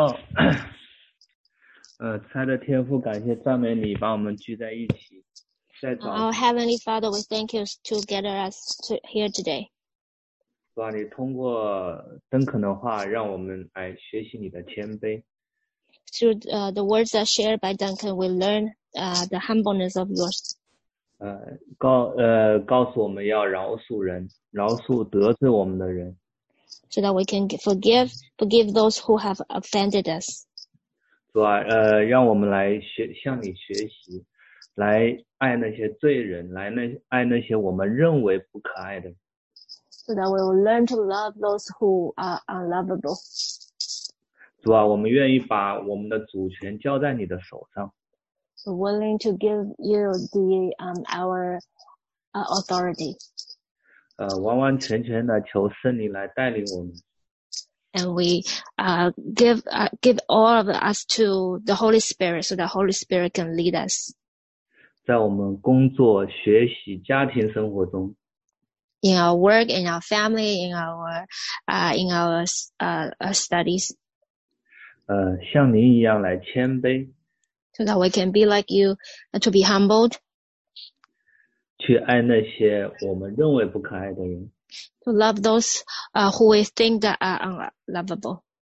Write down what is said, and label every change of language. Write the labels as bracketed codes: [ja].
[zh] 亲爱的天父，感谢赞美你把我们聚在一起。 [en] Heavenly Father, we thank you to gather us here today. [zh] 主啊，你通过登肯的话让我们来学习你的谦卑。 [en] Through the words that are shared by Duncan, we learn the humbleness of yours. [zh] 告诉我们要饶恕人，饶恕得罪我们的人。 [en] So that we can forgive those who have offended us. [zh] 主啊，让我们来向你学习，来爱那些罪人，来爱那些我们认为不可爱的人。 [en] So that we will learn to love those who are unlovable. [zh] 主啊，我们愿意把我们的主权交在你的手上。 [en] We're willing to give you the our authority. [zh] 完完全全的求圣灵来带领我们。 [en] And we give all of us to the Holy Spirit so the Holy Spirit can lead us. [zh] 在我们工作、学习、家庭生活中。 [en] In our work, in our family, in our studies. [zh] 像您一样来谦卑。 [en] So that we can be like you, to be humbled. [zh] 去爱那些我们认为不可爱的人。 [en] To love those, who we think that are unlovable.